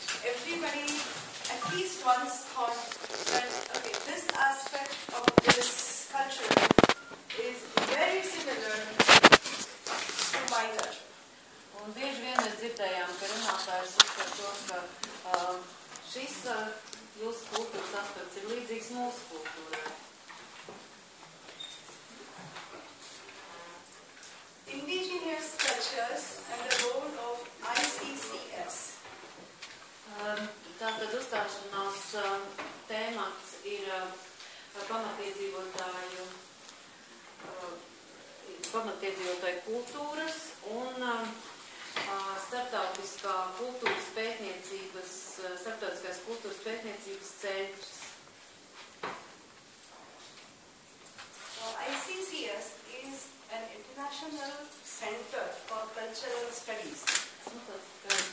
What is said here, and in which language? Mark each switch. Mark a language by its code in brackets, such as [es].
[en] Everybody at least once thought that okay, this aspect of this culture is very similar to my culture. [lv] Un bieži vien mēs dzirdējām, ka runātājs uzskat to, ka šis jūsu kultūras aspekts ir līdzīgs mūsu kultūrai. [en] Indigenous cultures and the role of ICCS. [lv] Tātad uzstāšanās tēmats ir pamatiedzīvotāju pamatiedzīvotāju kultūras un starptautiskā kultūras pētniecības starptautiskās kultūras pētniecības centrs. [en] Well, ICCS is an international center for cultural studies.